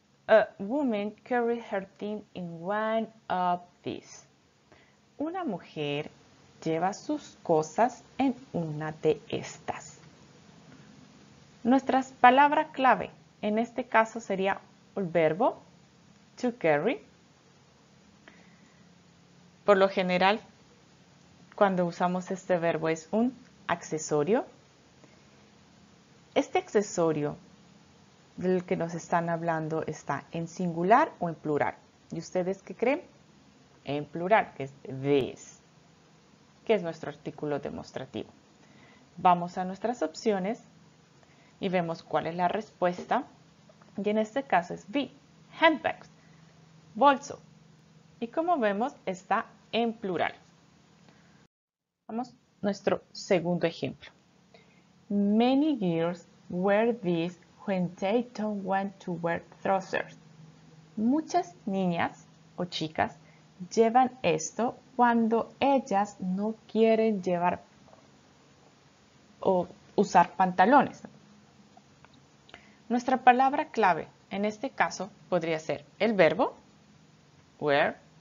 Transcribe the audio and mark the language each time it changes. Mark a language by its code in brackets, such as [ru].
[en] A woman carried her things in one of these. [es] Una mujer lleva sus cosas en una de estas. Nuestra palabra clave en este caso sería el verbo to carry. Por lo general, cuando usamos este verbo es un accesorio. Este accesorio del que nos están hablando está en singular o en plural. ¿Y ustedes qué creen? En plural, que es this, que es nuestro artículo demostrativo. Vamos a nuestras opciones y vemos cuál es la respuesta. Y en este caso es B, handbags, bolso. Y como vemos, está en plural. Vamos a nuestro segundo ejemplo. [en] Many girls wear these when they don't want to wear trousers. [es] Muchas niñas o chicas llevan esto cuando ellas no quieren llevar o usar pantalones. Nuestra palabra clave en este caso podría ser el verbo wear.